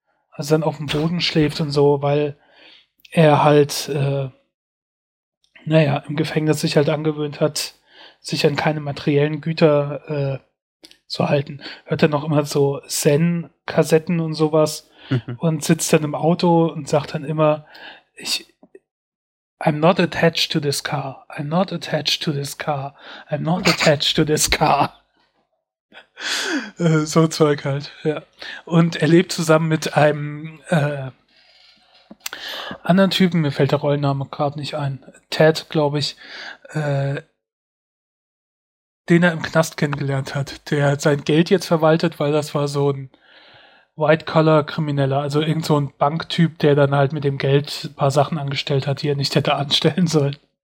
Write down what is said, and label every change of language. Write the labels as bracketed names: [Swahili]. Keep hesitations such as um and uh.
[German] Also dann auf dem Boden schläft und so, weil er halt, äh, naja, im Gefängnis sich halt angewöhnt hat, sich an keine materiellen Güter äh, zu halten. Hört dann noch immer so Zen-Kassetten und sowas Mhm. und sitzt dann im Auto und sagt dann immer, ich, [English] I'm not attached to this car. I'm not attached to this car. I'm not attached to this car. [German] Äh, so Zeug halt, ja. Und er lebt zusammen mit einem äh, anderen Typen, mir fällt der Rollenname gerade nicht ein, Ted, glaube ich, äh, den er im Knast kennengelernt hat, der sein Geld jetzt verwaltet, weil das war so ein White-Collar-Krimineller, also irgend so ein Banktyp, der dann halt mit dem Geld ein paar Sachen angestellt hat, die er nicht hätte anstellen sollen.